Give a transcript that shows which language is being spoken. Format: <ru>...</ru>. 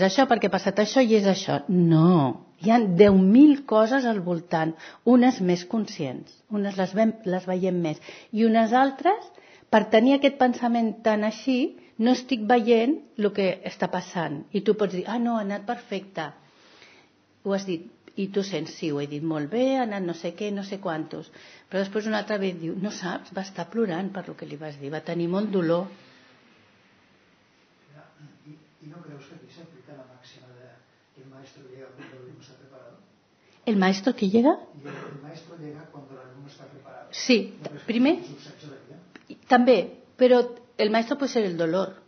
<ca>És això perquè ha passat això i és això. No, hi ha 10.000 coses al voltant, unes més conscients, unes les veiem més, i unes altres, per tenir aquest pensament tan així, no estic veient el que està passant. I tu pots dir, ah, no, ha anat perfecte, ho has dit. I tu sents, sí, ho he dit molt bé, ha anat no sé què, no sé quantos. Però després una altra vegada diu, no saps, va estar plorant per el que li vas dir, va tenir molt dolor. Ja, i no creus que aquí s'aplica la màxima de que</ca> <es>el maestro llega cuando el alumno está preparado? El maestro que llega? El maestro llega cuando el alumno está preparado.</es> <ca>Sí, no primer, també, però</ca> <es>el maestro</es> <ca>pot ser el dolor.</ca>